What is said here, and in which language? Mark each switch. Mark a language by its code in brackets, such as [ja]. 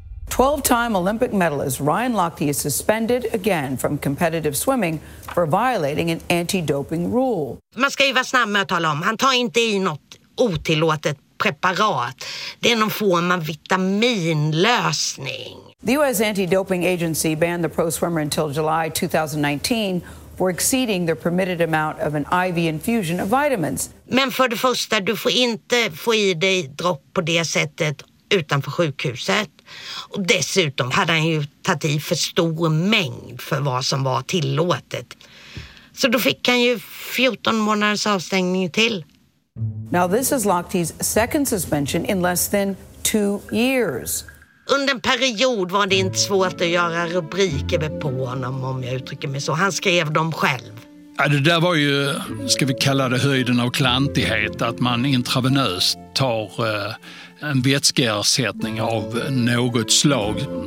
[en] 12-time Olympic medalist Ryan Lochte is suspended again from competitive swimming for violating an anti-doping rule. [sv] Man ska ju vara snabb med att tala om. Han tar inte i något otillåtet preparat. Det är någon form av vitaminlösning. [en] The US anti-doping agency banned the pro swimmer until July 2019. For exceeding the permitted amount of an IV infusion of vitamins. [sv] Men för det första, du får inte få i dig dropp på det sättet utanför sjukhuset. Och dessutom hade han ju tagit i för stor mängd för vad som var tillåtet. Så då fick han ju 14 månaders avstängning till. [en] Now this is Lochte's second suspension in less than 2 years. [sv] Under en period var det inte svårt att göra rubriker på honom, om jag uttrycker mig så. Han skrev dem själv. Ja, det där var ju, ska vi kalla det, höjden av klantighet. Att man intravenöst tar en vätskeersättning av något slag.